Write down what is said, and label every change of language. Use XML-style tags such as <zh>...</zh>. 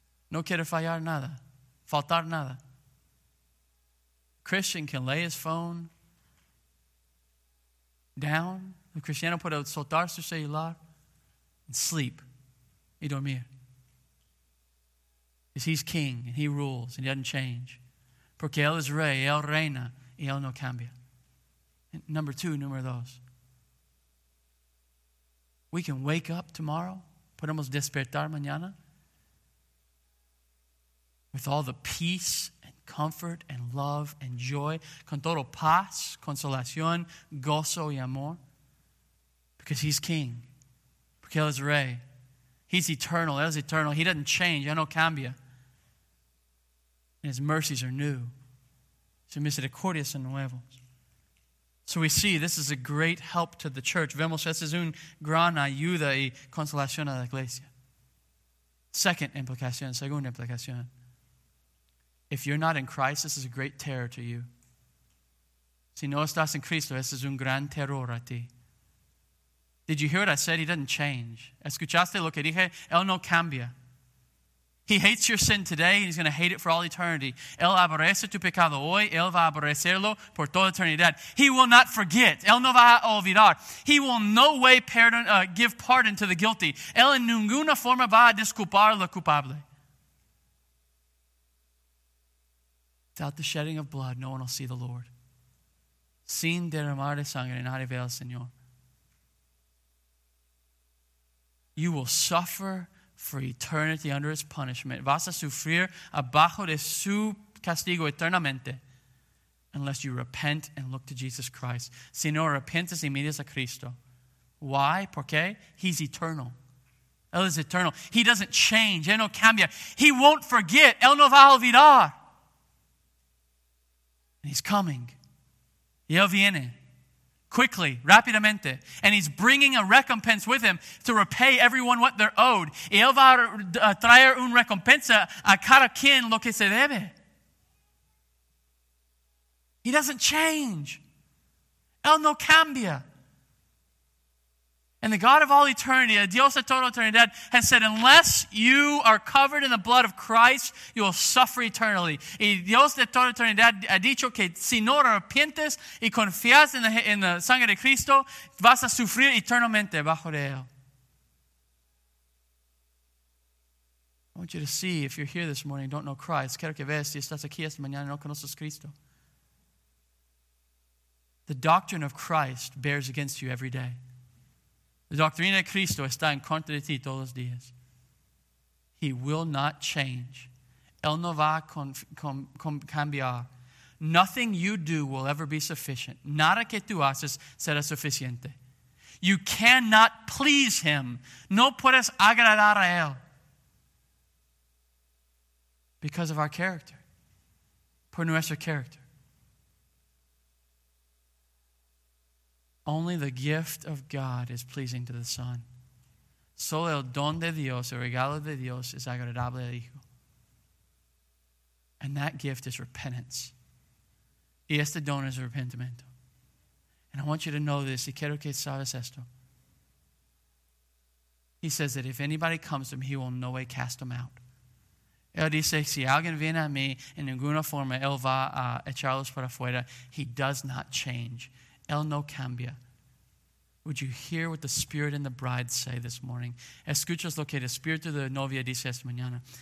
<es>No quiere fallar nada, faltar nada.</es> <en>Christian can lay his phone down.</en> <es>El cristiano puede soltar su celular</es> <en>and sleep</en> <es>y dormir.</es> <en>Because he's king and he rules and he doesn't change.</en> <es>Porque él es rey, él reina y él no cambia.</es> <en>And number two,</en> <es>número dos.</es> <en>We can wake up tomorrow,</en> <es>podemos despertar mañana,</es> <en>with all the peace and comfort and love and joy,</en> <es>con todo paz, consolación, gozo y amor,</es> <en>because he's king,</en> <es>porque él es rey.</es> <en>He's eternal,</en> <es>él es eternal.</es> <en>He doesn't change,</en> <es>él no cambia.</es> <en>And his mercies are new.</en> <es>Sus misericordias son nuevas.</es> <en>So we see this is a great help to the church.</en> <es>Vemos, esa es una gran ayuda y consolación a la iglesia. Segunda implicación.</es> <en>If you're not in Christ, this is a great terror to you.</en> <es>Si no estás en Cristo, esa es un gran terror a ti.</es> <en>Did you hear what I said? He doesn't change.</en> <es>¿Escuchaste lo que dije? Él no cambia.</es> <en>He hates your sin today, and he's going to hate it for all eternity.</en> <es>Él aborrece tu pecado hoy, él va a aborrecerlo por toda eternidad.</es> <en>He will not forget.</en> <es>Él no va a olvidar.</es> <en>He will no way pardon, give pardon to the guilty.</en> <es>Él en ninguna forma va a disculpar al culpable.</es> <en>Without the shedding of blood, no one will see the Lord.</en> <es>Sin derramar de sangre, nadie ve al Señor.</es> <en>You will suffer for eternity under his punishment.</en> <es>Vas a sufrir abajo de su castigo eternamente</es> <en>unless you repent and look to Jesus Christ.</en> <es>Si no arrepientes y miras a Cristo.</es> <en>Why?</en> <es>¿Por qué?</es> <en>He's eternal.</en> <es>Él es eternal.</es> <en>He doesn't change.</en> <es>Él no cambia.</es> <en>He won't forget.</en> <es>Él no va a olvidar.</es> <en>And he's coming.</en> <es>Y él viene.</es> <en>Quickly,</en> <es>rápidamente.</es> <en>And he's bringing a recompense with him to repay everyone what they're owed.</en> <es>Y él va a traer una recompensa a cada quien lo que se debe.</es> <en>He doesn't change.</en> <es>Él no cambia.</es> <en>And the God of all eternity,</en> <es>Dios de toda eternidad,</es> <en>has said, unless you are covered in the blood of Christ, you will suffer eternally.</en> <es>Y Dios de toda eternidad ha dicho que si no arrepientes y confías en la sangre de Cristo, vas a sufrir eternamente bajo de él.</es> <en>I want you to see, if you're here this morning, don't know Christ,</en> <es>quiero que veas, si estás aquí esta mañana y no conoces Cristo.</es> <en>The doctrine of Christ bears against you every day.</en> <es>La doctrina de Cristo está en contra de ti todos los días.</es> <en>He will not change.</en> <es>Él no va a cambiar.</es> <en>Nothing you do will ever be sufficient.</en> <es>Nada que tú haces será suficiente.</es> <en>You cannot please him.</en> <es>No puedes agradar a él.</es> <en>Because of our character.</en> <es>Por nuestro character.</es> <en>Only the gift of God is pleasing to the Son.</en> <es>Solo el don de Dios, el regalo de Dios, es agradable al Hijo.</es> <en>And that gift is repentance.</en> <es>Y este don es arrepentimiento.</es> <en>And I want you to know this.</en> <es>Y quiero que sabes esto.</es> <en>He says that if anybody comes to him, he will no way cast them out.</en> <es>Él dice, si alguien viene a mí, en ninguna forma, él va a echarlos para afuera.</es> <en>He does not change.</en> <es>Él no cambia.</es> <en>Would you hear what the Spirit and the Bride say this morning?</en> <es>Escuchas lo que el Espíritu de la Novia dice esta mañana.</es>